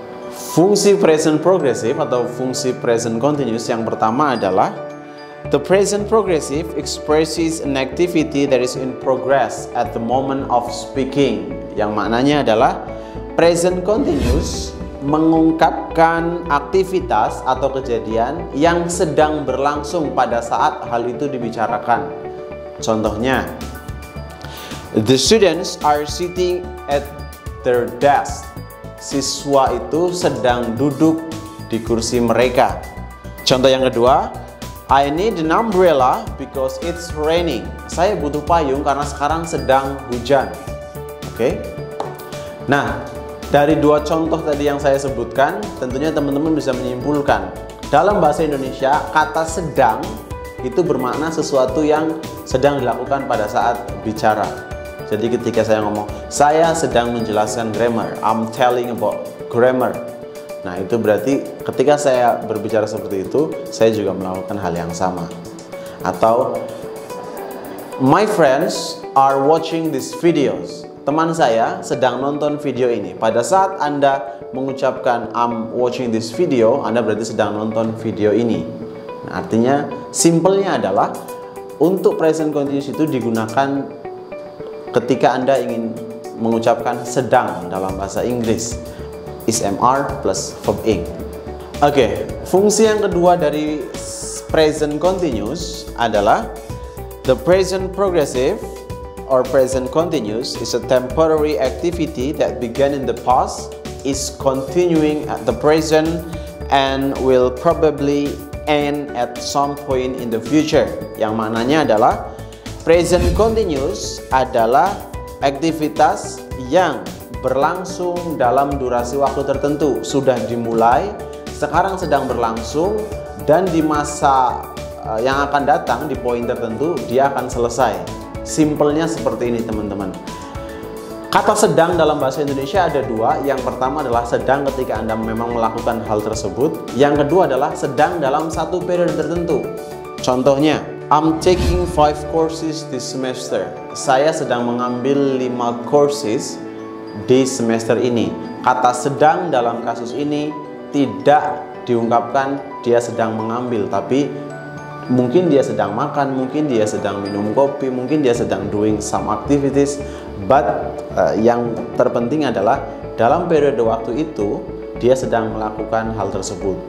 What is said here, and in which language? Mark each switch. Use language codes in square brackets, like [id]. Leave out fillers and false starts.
[id] Fungsi present progressive atau fungsi present continuous yang pertama adalah [en] the present progressive expresses an activity that is in progress at the moment of speaking. [id] Yang maknanya adalah present continuous mengungkapkan aktivitas atau kejadian yang sedang berlangsung pada saat hal itu dibicarakan. Contohnya, [en] the students are sitting at their desk. [id] Siswa itu sedang duduk di kursi mereka. Contoh yang kedua, [en] I need an umbrella because it's raining. [id] Saya butuh payung karena sekarang sedang hujan. Oke. Nah, dari dua contoh tadi yang saya sebutkan, tentunya teman-teman bisa menyimpulkan. Dalam bahasa Indonesia, kata sedang itu bermakna sesuatu yang sedang dilakukan pada saat bicara. Jadi ketika saya ngomong, saya sedang menjelaskan grammar, [en] I'm telling about grammar. [id] Nah, itu berarti ketika saya berbicara seperti itu, saya juga melakukan hal yang sama. [en] Atau, my friends are watching these videos. [id] Teman saya sedang nonton video ini. Pada saat Anda mengucapkan [en] I'm watching this video, [id] Anda berarti sedang nonton video ini. Nah, artinya, simpelnya adalah untuk present continuous itu digunakan ketika Anda ingin mengucapkan sedang dalam bahasa Inggris. [en] Is MR plus verb ing. [id] Oke, fungsi yang kedua dari present continuous adalah [en] the present progressive or present continuous is a temporary activity that began in the past, is continuing at the present, and will probably end at some point in the future. [id] Yang maknanya adalah, present continuous adalah aktivitas yang berlangsung dalam durasi waktu tertentu, sudah dimulai, sekarang sedang berlangsung, dan di masa yang akan datang, di poin tertentu, dia akan selesai. Simpelnya seperti ini, teman-teman. Kata sedang dalam bahasa Indonesia ada dua. Yang pertama adalah sedang ketika Anda memang melakukan hal tersebut. Yang kedua adalah sedang dalam satu periode tertentu. [en] Contohnya, I'm taking 5 courses this semester. [id] Saya sedang mengambil 5 courses di semester ini. Kata sedang dalam kasus ini tidak diungkapkan dia sedang mengambil, tapi mungkin dia sedang makan, mungkin dia sedang minum kopi, mungkin dia sedang [en] doing some activities. [id] But yang terpenting adalah dalam periode waktu itu dia sedang melakukan hal tersebut.